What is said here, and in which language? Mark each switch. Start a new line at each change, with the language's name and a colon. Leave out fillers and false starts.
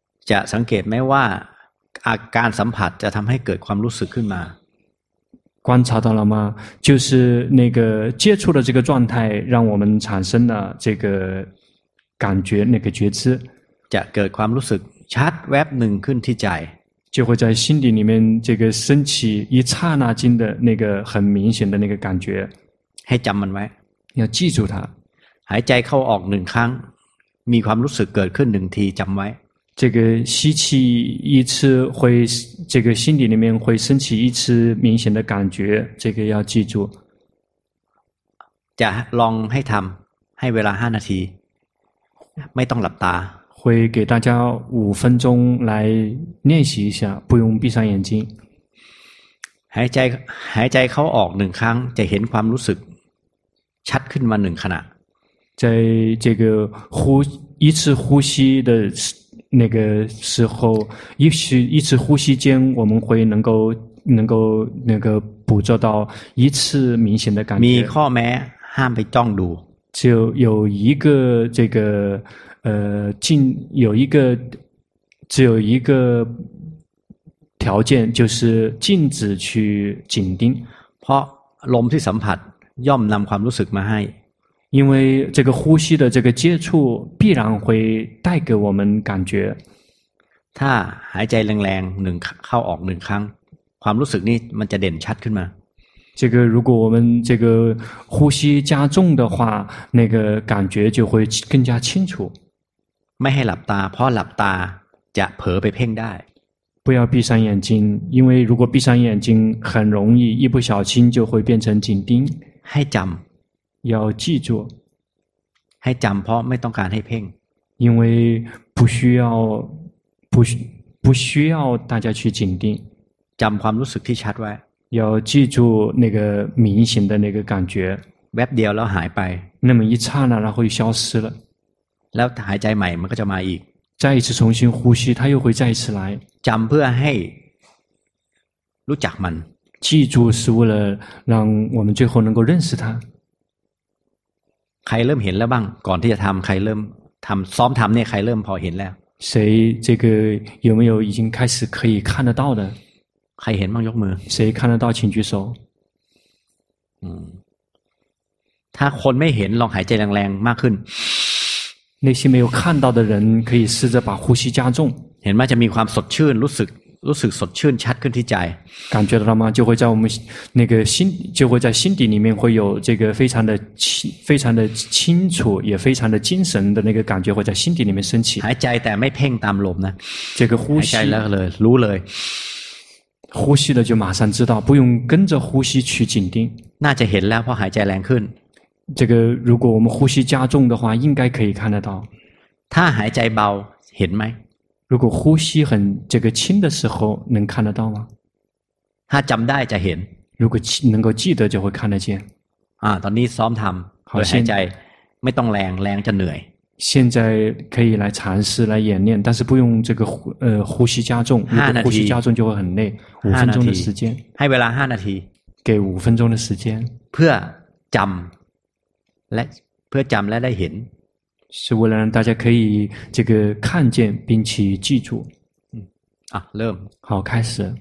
Thai: จะสังเกตไหมว่าอาการสัมผัสจะทำให้เกิดความรู้สึกขึ้นมา
Chinese: 观察到了吗？就是那个接触的这个状态，让我们产生了这个感觉，那个觉知。
Thai: จะเกิดความรู้สึกชัดแวบหนึ่งขึ้นที่ใจ，
Chinese: 就会在心底里面这个升起一刹那间的那个很明显的那个感觉。
Thai: ให้จำมันไว้
Chinese: ，要记住它。
Thai: หายใจเข้าออกหนึ่งครั้ง，มีความรู้สึกเกิดขึ้นหนึ่งที，จำไว้。
Chinese: 这个吸气一次会这个心底里面会升起一次明显的感觉这个要记住
Thai: จะลองให้ทำให้เวลา5นาทีไม่ต้องหลับตา
Chinese: 会给大家5分钟来练习一下不用闭上眼睛
Thai: หายใจเข้าออก1ครั้งจะเห็นความรู้สึกชัดขึ้นมา1ขณะ
Chinese: 在这个呼一次呼吸的那个时候一次呼吸间我们会能够那个捕捉到一次明显的感觉
Thai: มีข้อแม้ห้ามไปจ้องดู
Chinese: 就有一个这个禁有一个只有一个条件就是禁止去紧盯
Thai: เพราะลมที่สัมผัสย่อมนำความรู้สึกมาให้
Chinese: 因为这个呼吸的这个接触必然会带给我们感觉
Thai: ถ้าหายใจแรงๆหนึ่งเข้าออกหนึ่งครั้งความรู้สึกนี้มันจะเด่นชัดขึ้นมา
Chinese: 这个如果我们这个呼吸加重的话那个感觉就会更加清楚
Thai: ไม่ให้หลับตาเพราะหลับตาจะเผลอไปเพ่งได้
Chinese: 不要闭上眼睛因为如果闭上眼睛很容易一不小心就会变成紧盯
Thai: ให้จำ
Chinese: 要记住
Thai: ให้จำเพราะไม่ต้องการให้เพ่ง
Chinese: 因为不需要大家去紧盯
Thai: จำความรู้สึกที่ชัดไว้
Chinese: 要记住那个明显的那个感觉
Thai: แวบเดียวแล้วหายไป
Chinese: 那么一刹那然后就消失了
Thai: แล้วหายใจใหม่มันก็จะมาอีก
Chinese: 再一次重新呼吸它又会再一次来
Thai: จำเพื่อให้รู้จักมัน
Chinese: 记住是为了让我们最后能够认识它
Thai: ใครเริ่มเห็นแล้วบ้างก่อนที่จะทำใครเริ่มทำซ้อมทำเนี่ยใครเริ่มพอเห็นแล้ว
Chinese: 谁这个有没有已经开始可以看得到的
Thai: ใครเห็นบ้างยกมือ
Chinese: 谁看得到请举手
Thai: ถ้าคนไม่เห็นลองหายใจแรงๆมากขึ้น
Chinese: 那些没有看到的人可以试着把呼吸加重
Thai: เห็นมั้ยจะมีความสดชื่นรู้สึกสดชื่นชัดขึ้นที่ใจ
Chinese: 感觉到了吗就会在我们那个心就会在心底里面会有这个非常的清楚也非常的精神的那个感觉会在心底里面升起
Thai: หายใจแต่ไม่เพ่งตามลมนะ
Chinese: 这个呼吸
Thai: หายใจแล้วเลยรู้เลย
Chinese: 呼吸了就马上知道不用跟着呼吸去紧盯
Thai: น่าจะเห็นแล้วเพราะหายใจแรงขึ้น
Chinese: 这个如果我们呼吸加重的话应该可以看得到
Thai: ถ้าหายใจเบาเห็นไหม
Chinese: 如果呼吸很这个轻的时候能看得到吗
Thai: ถ้าจำได้จะเห็น
Chinese: 如果能够记得就会看得见
Thai: ตอนนี้ซ้อมทำโดยหายใจไม่ต้องแรงแรงจะเหนื่อย
Chinese: 现在可以来尝试来演练但是不用这个呼吸加重如果呼吸加重就会很累五分钟的时间
Thai: ให้เวลา5นาที
Chinese: 给五分钟的时间
Thai: เพื่อจำและเพื่อจำและได้เห็น
Chinese: 是为了让大家可以这个看见并且记住
Thai: เริ่ม
Chinese: 好开始